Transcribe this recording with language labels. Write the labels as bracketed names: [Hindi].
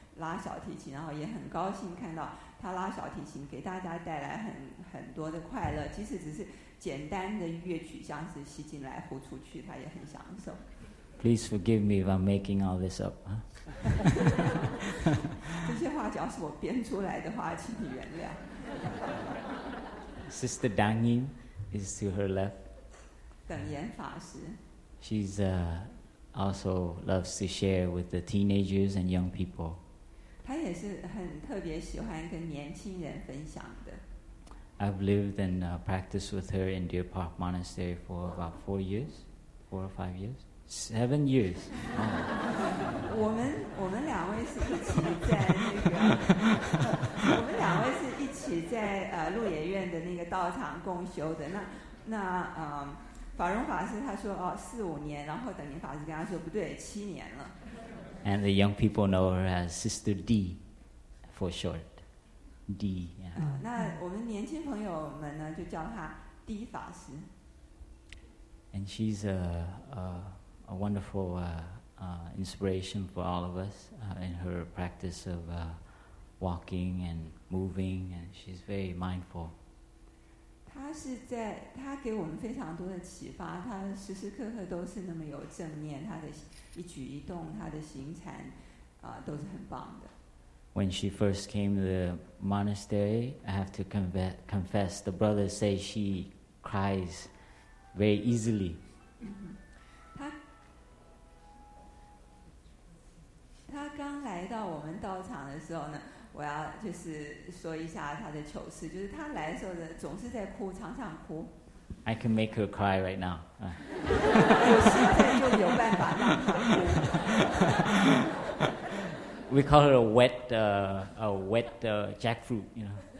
[Chinese] 那他是并没有冲突。那他现在不是以一种专业，不是一种就是把演奏当做职业这样的方式来演奏，他只是很享受拉小提琴，然后也很高兴看到。他拉小提琴给大家带来很多的快乐，即使只是简单的乐曲，像是吸进来、呼出去，他也很享受。 [English] Please forgive me if I'm making all this up. [Chinese] 这些话只要是我编出来的话，请你原谅。 [English] Sister Dang Yin is to her left. [Chinese] 等言法师。 [English] She's also loves to share with the teenagers and young people. [Chinese] 她也是很特别喜欢跟年轻人分享的。 [English] I've lived and practiced with her in Deer Park Monastery for about 4 years, 4 or 5 years, 7 years. [Chinese] 我们两位是一起在那个，我们两位是一起在鹿野苑的那个道场共修的。那法荣法师他说四五年，然后等明法师跟他说不对，七年了。 [English] And the young people know her as Sister D, for short. D. Yeah. [Chinese] 那我们年轻朋友们呢，就叫她 D 法师。 [English] And she's a wonderful inspiration for all of us in her practice of walking and moving, and she's very mindful. [Chinese] 她给我们非常多的启发，她时时刻刻都是那么有正念，她的一举一动，她的行禅都是很棒的。 [English] When she first came to the monastery, I have to confess, the brothers say she cries very easily. [Chinese] 她刚来到我们道场的时候呢，我要就是说一下她的糗事，就是她来的时候呢，总是在哭，常常哭。 [English] I can make her cry right now. [Chinese] 我现在就有办法让她哭。 [English] We call her a wet jackfruit, you know.